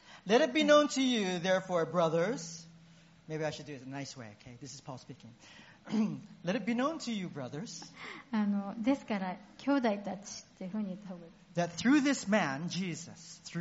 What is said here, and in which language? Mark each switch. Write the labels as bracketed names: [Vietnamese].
[English] Let it be known to you, therefore, brothers. Maybe I should do it in a nice way. Okay, this is Paul speaking. Let it be known to you, brothers. [Japanese] ですから兄弟たちっていうふうに言った方がいい。 [English] That through this man Jesus,